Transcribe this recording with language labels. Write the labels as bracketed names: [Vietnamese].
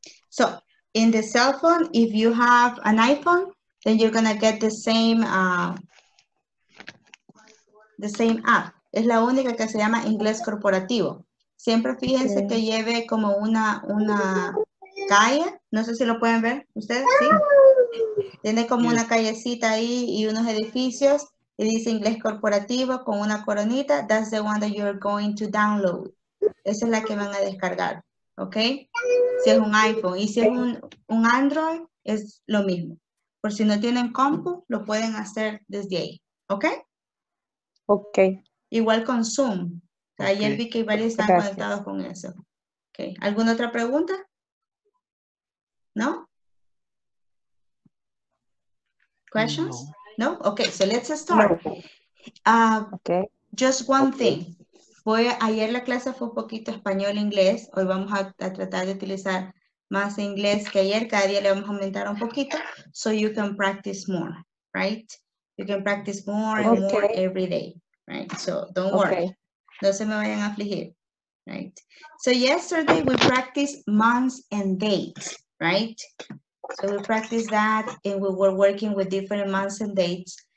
[English] So, in the cell phone, if you have an iPhone, then you're going to get the same app. [Spanish] Es la única que se llama Inglés Corporativo. Siempre fíjense que lleve como una calle. No sé si lo pueden ver ustedes. ¿Sí? Tiene como una callecita ahí y unos edificios. Y dice Inglés Corporativo con una coronita. [English] That's the one that you're going to download. [Spanish] Esa es la que van a descargar, ¿ok? Si es un iPhone y si es un Android, es lo mismo. Por si no tienen compu, lo pueden hacer desde ahí, ¿ok? Ok. Igual con Zoom. Okay. Ayer vi que varios están conectados con eso. Okay. ¿Alguna otra pregunta? ¿No? [English] ¿Questions? No. ¿No? Ok, so let's start. No. Okay. Just one thing. [Spanish] Ayer la clase fue un poquito español-inglés. Hoy vamos a tratar de utilizar más inglés que ayer. Cada día le vamos a aumentar un poquito. [English] So you can practice more, right? You can practice more and more every day, right? So don't worry. [Spanish] No se me vayan a afligir, [English] right? So yesterday we practiced months and dates, right? So we practiced that and we were working with different months and dates.